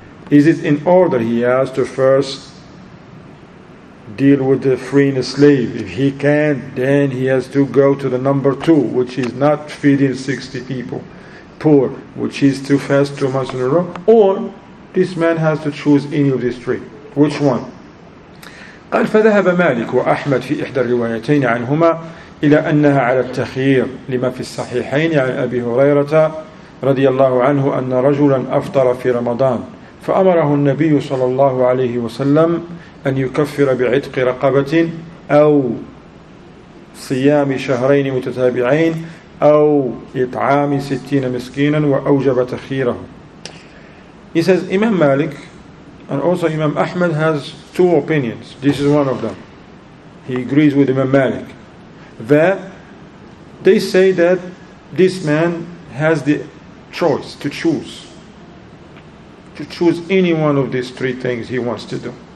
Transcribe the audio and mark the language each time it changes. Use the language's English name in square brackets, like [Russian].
[English] Is it in order he has to first deal with the freeing a slave? If he can, then he has to go to the number two, which is not feeding 60 people poor, which is too fast, 2 months in a row. Or this man has to choose any of these three. Which one? [Arabic] قال فذهب مالك وأحمد في إحدى الروايتين عنهما إلى أنها على التخيير لما في الصحيحين عن أبي هريرة رضي الله عنه أن رجلا أفطر في رمضان فأمره النبي صلى الله عليه وسلم أن يكفر بعتق رقبة أو صيام شهرين متتابعين أو إطعام 60 مسكينا وأوجب تخييره. [English] He says Imam Malik and also Imam Ahmed has two opinions. This is one of them. He agrees with Imam Malik that they say that this man has the choice to choose any one of these three things he wants to do.